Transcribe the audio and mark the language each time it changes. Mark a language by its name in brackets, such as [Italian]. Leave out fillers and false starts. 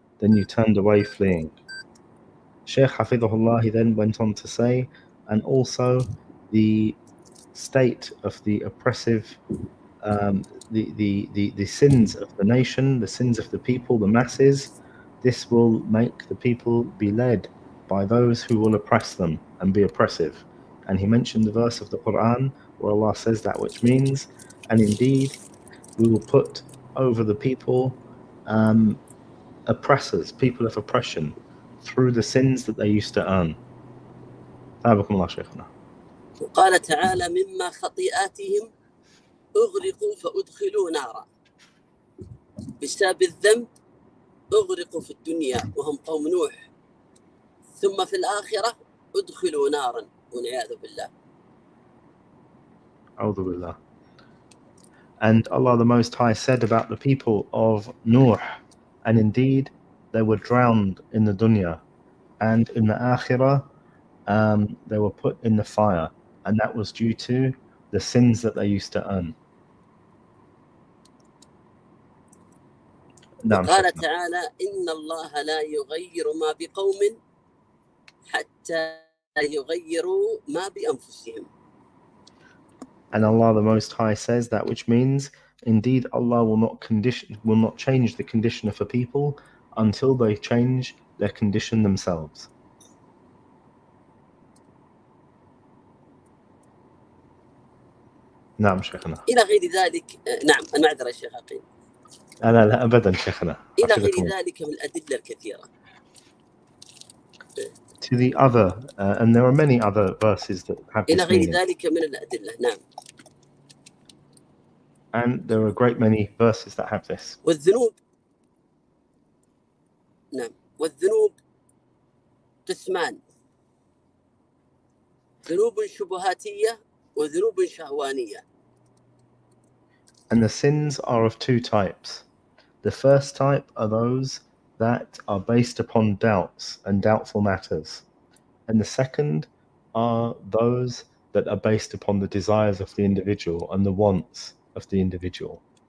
[English] Then you turned away fleeing. Shaykh Hafidhullah then went on to say, and also the state of the oppressive, the sins of the nation, the sins of the people, the masses, this will make the people be led by those who will oppress them and be oppressive. And he mentioned the verse of the Quran where Allah says that which means, and indeed, we will put over the people oppressors, people of oppression, through the sins that they used to earn. [Arabic] أعبكم الله شيخنا. وقال تعالى مما خطيئاتهم أغرقوا فأدخلوا نارا بسبب الذنب أغرقوا في الدنيا وهم قوم نوح ثم في الآخرة أدخلوا نارا ونعاذ بالله. أعوذ بالله. [English] And Allah the Most High said about the people of Nuh, and indeed they were drowned in the dunya, and in the akhirah they were put in the fire, and that was due to the sins that they used to earn. [Arabic] وقال تعالى إن الله لا يغير ما بقوم حتى يغيروا ما بأنفسهم. [English] And Allah the Most High says that which means, indeed Allah will not change the condition of a people until they change their condition themselves. [Arabic] نعم شيخنا. إلى غير ذلك نعم المعذرة شيخ أقيل. لا أبدا شيخنا. إلى غير ذلك من الأدلة الكثيرة. [English] To the other, and there are many other verses that have this [Arabic] إلى غير ذلك من الأدلة نعم. [English] And there are a great many verses that have this. [Arabic] والذنوب نعم والذنوب قسمان ذنوب شبهاتية وذنوب شهوانية. [English] And the sins are of two types. The first type are those that are based upon doubts and doubtful matters. And the second are those that are based upon the desires of the individual and the wants of the individual.